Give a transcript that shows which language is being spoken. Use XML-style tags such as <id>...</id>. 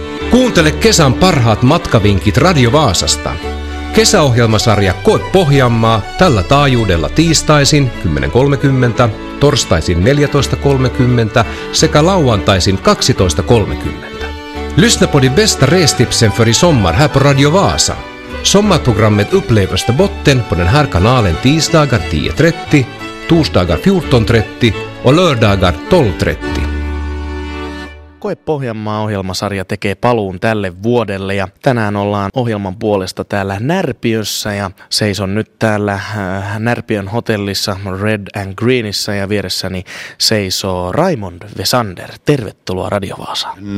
<fi>Kuuntele kesän parhaat matkavinkit Radio Vaasasta. Kesäohjelmasarja Koe Pohjanmaa tällä taajuudella tiistaisin 10.30, torstaisin 14.30 sekä lauantaisin 12.30.</fi> <sv>Lyssna på de bästa restipsen för i sommar här på Radio Vaasa. Sommarprogrammet upplevs på botten på den här kanalen tisdagar 10.30, torsdagar 14.30 och lördagar 12.30.</sv> <fi>Koe Pohjanmaa-ohjelmasarja tekee paluun tälle vuodelle ja tänään ollaan ohjelman puolesta täällä Närpiössä ja seison nyt täällä Närpiön hotellissa Red and Greenissa ja vieressäni seisoo Raymond Vesander. Tervetuloa Radio Vaasaan.</fi>